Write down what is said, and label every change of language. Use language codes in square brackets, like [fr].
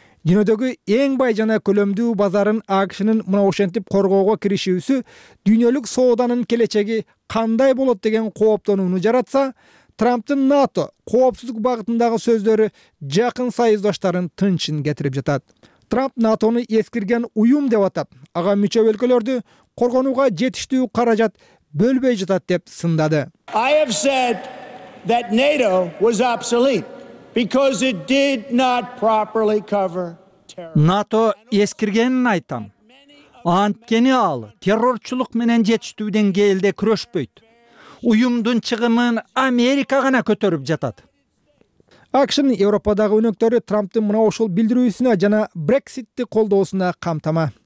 [ky] Дүйнөдөгү эң бай жана көлөмдүү базарын АКШнын мына ошентип коргоого киришүүсү дүйнөлүк сооданын келечеги кандай болот деген кооптонууну жаратса, Трамптын НАТО коопсуздук багытындагы сөздөрү жакын союздаштарын тынчын кетирип жатат. Трамп НАТОну эскирген уюм деп атап, ага мүчө өлкөлөрдү коргонууга жетиштүү каражат бөлбөй жатат деп сындады. [en] I have said that NATO was obsolete. Because it did not properly cover terror. [ky] НАТО эскиргенин айтам. Анткени ал террорчулук менен жетиштүү деңгээлде күрөшпөйт. Уюмдун чыгымын Америка гана көтөрүп жатат. АКШнын Европадагы өнөктөрү Трамптын мына ошол билдирүүсүнө жана Brexitти колдоосуна камтама.